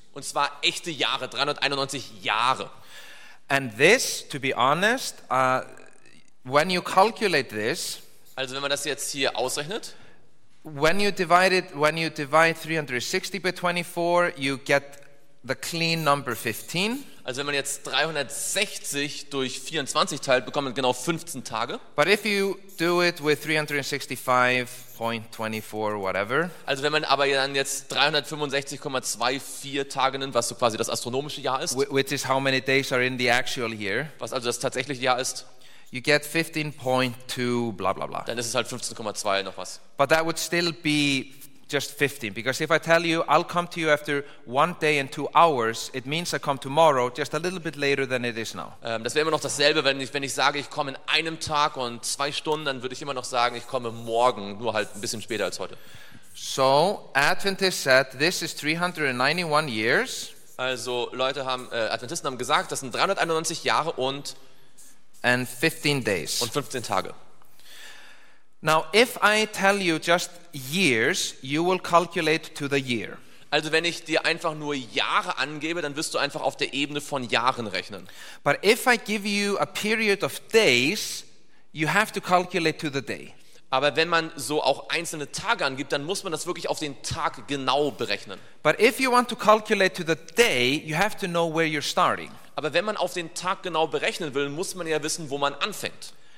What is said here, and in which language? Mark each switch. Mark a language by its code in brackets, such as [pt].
[de] Und zwar echte Jahre, 391 Jahre. [en] And this, to be honest, when you calculate this, [de] also wenn man das jetzt hier ausrechnet, [en] when you divide 360 by 24, you get the clean number 15. [de] Also wenn man jetzt 360 durch 24 teilt, bekommt man genau 15 Tage. [en] But if you do it with 365.24 whatever. [de] Also wenn man aber dann jetzt 365,24 Tage nimmt, was so quasi das astronomische Jahr ist. [en] Which is how many days are in the actual year. [de] Was also das tatsächliche Jahr ist. [en] You get 15.2 blah blah blah. [de] Dann ist es halt 15,2 noch was. [en] But that would still be just 15, because if I tell you I'll come to you after 1 day and 2 hours, it means I come tomorrow, just a little bit later than it is now. [de] Das wäre immer noch dasselbe, wenn ich sage, ich komme in einem Tag und 2 Stunden, dann würde ich immer noch sagen, ich komme morgen, nur halt ein bisschen später als heute. [en] So Adventists said this is 391 years. [de] Also Leute haben Adventisten haben gesagt, das sind 391 Jahre und [en] 15 days. [de] Und 15 Tage. [en] Now, if I tell you just years, you will calculate to the year. [de] Also, wenn ich dir einfach nur Jahre angebe, dann wirst du einfach auf der Ebene von Jahren rechnen. [en] But if I give you a period of days, you have to calculate to the day. [de] Aber wenn man so auch einzelne Tage angibt, dann muss man das wirklich auf den Tag genau berechnen. [en] But if you want to calculate to the day, you have to know where you're starting. [de] Aber wenn man auf den Tag genau berechnen will, muss man ja wissen, wo man anfängt.